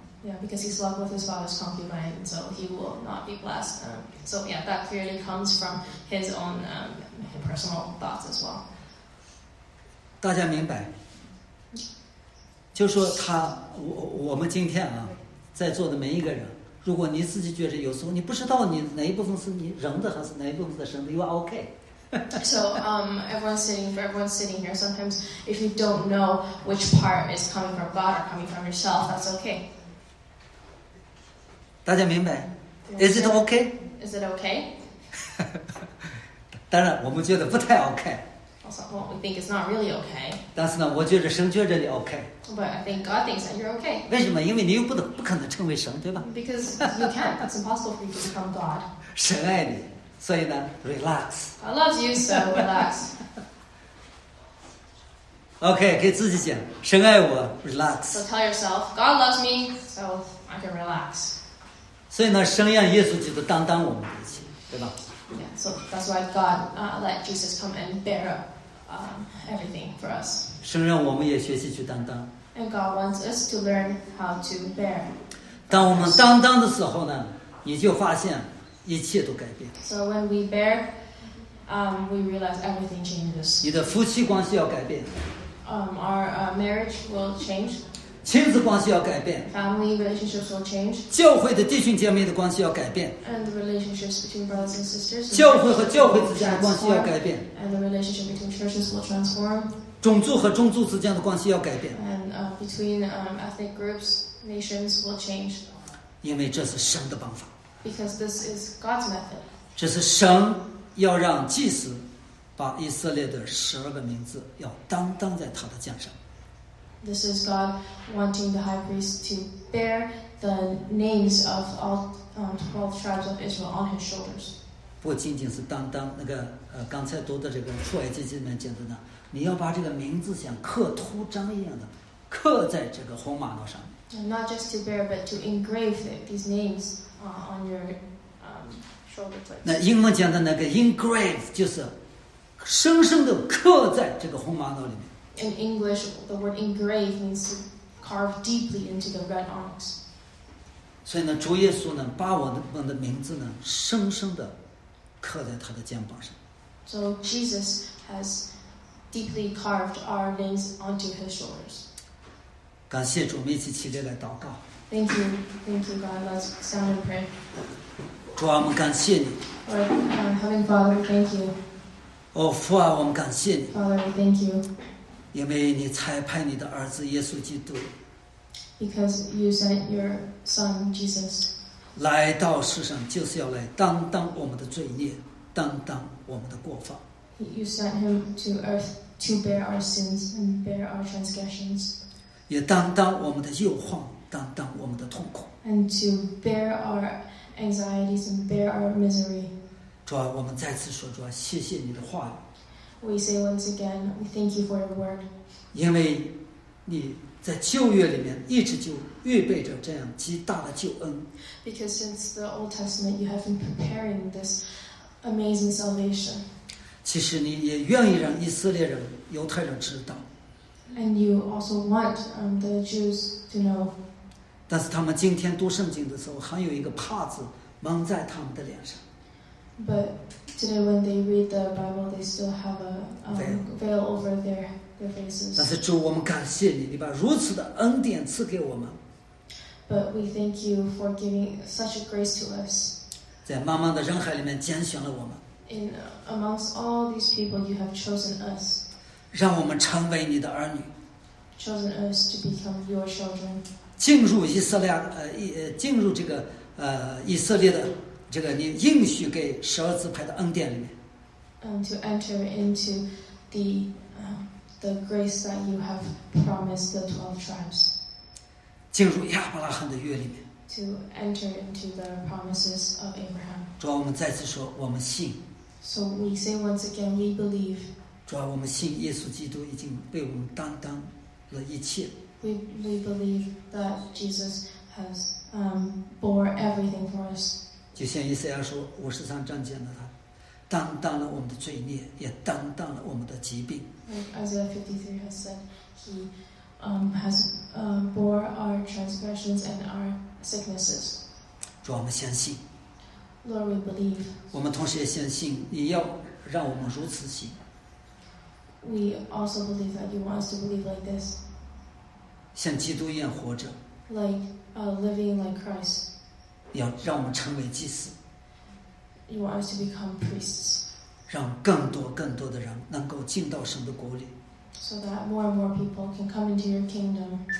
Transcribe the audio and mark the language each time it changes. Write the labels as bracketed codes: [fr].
[en] Yeah, because he slept with his father's concubine, so he will not be blessed. So yeah, that clearly comes from his own personal thoughts as well. [zh] 大家明白？就说他，我们今天啊，在座的每一个人，如果你自己觉得有时候你不知道你哪一部分是你人的还是哪一部分是神的 ， [en] you are okay. So everyone sitting here, sometimes if you don't know which part is coming from God or coming from yourself, that's okay. [zh] 大家明白 [en] ？Is it okay? Is it okay? [zh] 当然，我们觉得不太 okay. [en] Also, we think it's not really okay. [zh] 但是呢，我觉得神觉得你 okay. [en] But I think God thinks that you're okay. [zh] 为什么？因为你又不可能成为神，对吧 [en] ？Because you can't. It's impossible for you to become God. [zh] 神爱你，所以呢 ，relax. [en] I love you, so relax. [zh] Okay, 给自己讲，神爱我 ，relax. [en] So tell yourself, God loves me, so I can relax. [zh] 所以呢，神让耶稣基督担当我们的一切，对吧 [en] ？Yeah, so that's why God let Jesus come and bear everything for us. [zh] 神让我们也学习去担当。 [en] And God wants us to learn how to bear. [zh] 当我们担当的时候呢，你就发现一切都改变。 [en] So when we bear, we realize everything changes. [zh] 你的夫妻关系要改变。 [en] Our marriage will change. [zh] 亲子关系要改变 [en] ，Family relationships will change。 [zh] 教会的弟兄姐妹的关系要改变 [en] ，And the relationships between brothers and sisters。 [zh] 教会和教会之间的关系要改变 [en] ，And the relationship between churches will transform。 [zh] 种族和种族之间的关系要改变 [en] ，And between ethnic groups, nations will change。 [zh] 因为这是神的办法 [en] ，Because this is God's method。 [zh] 这是神要让祭司把以色列的十二个名字要担当在他的肩上。 [en] This is God wanting the high priest to bear the names of all 12 tribes of Israel on his shoulders. [zh] 不仅仅是担当那个刚才读的这个出埃及记里面讲的呢，你要把这个名字像刻图章一样的刻在这个红玛瑙上。 [en] Not just to bear, but to engrave these names on your shoulder blades. [zh] 那英文讲的那个 engrave 就是深深的刻在这个红玛瑙里面。 [en] In English, the word engrave means to carve deeply into the red onyx. [zh] 所以呢，主耶稣呢，把我们的名字呢，深深的刻在他的肩膀上。 [en] So Jesus has deeply carved our names onto his shoulders. [zh] 感谢主，我们一起起立来祷告。 [en] Thank you, God. Let's stand and pray. [zh] 主啊，我们感谢你。 [en] Heavenly Father, thank you. [zh] 哦，父啊，我们感谢你。 [en] Father, thank you. [zh] 因为你差派你的儿子耶稣基督。 [en] Because you sent your Son Jesus. [zh] 来到世上就是要来担当我们的罪孽，担当我们的过犯。 [en] You sent him to earth to bear our sins and bear our transgressions. [zh] 也担当我们的诱惑，担当我们的痛苦。 [en] And to bear our anxieties and bear our misery. [zh] 主啊，我们再次说，主啊，谢谢你的话语。 [en] We say once again, we thank you for your word. [zh] 因为你在旧约里面一直就预备着这样极大的救恩。 [en] Because since the Old Testament, you have been preparing this amazing salvation. [zh] 其实你也愿意让以色列人、犹太人知道。 [en] And you also want the Jews to know. [zh] 但是他们今天读圣经的时候，还有一个帕子蒙在他们的脸上。 [en] But today, when they read the Bible, they still have a veil over their faces. [zh] 但是主，我们感谢你，你把如此的恩典赐给我们。 [en] But we thank you for giving such a grace to us. [zh] 在茫茫的人海里面拣选了我们。 [en] In amongst all these people, you have chosen us. [zh] 让我们成为你的儿女。 [en] Chosen us to become your children. [zh] 进入以色列，进入这个以色列的。这个你应许给十二支派的恩典里面。 [en] To enter into the grace that you have promised the 12 tribes. [zh] 进入亚伯拉罕的约里面。 [en] To enter into the promises of Abraham. [zh] 主啊，我们再次说，我们信。 [en] So we say once again, we believe. [zh] 主啊，我们信耶稣基督已经为我们担当了一切。 [en] We believe that Jesus has bore everything for us. [zh] 就像以赛亚说五十三章讲的，他担当了我们的罪孽，也担当了我们的疾病。 [en] Isaiah 53 has said he has bore our transgressions and our sicknesses. [zh] 主，我们相信。 [en] Lord, we believe. [zh] 我们同时也相信你要让我们如此行。 [en] We also believe that you want us to believe like this. [zh] 像基督一样活着。 [en] Like living like Christ. [zh] 要让我们成为祭司。 [en] You want us to become priests. [zh] 让更多更多的人能够进到神的国里。 [en] So that more and more people can come into your kingdom.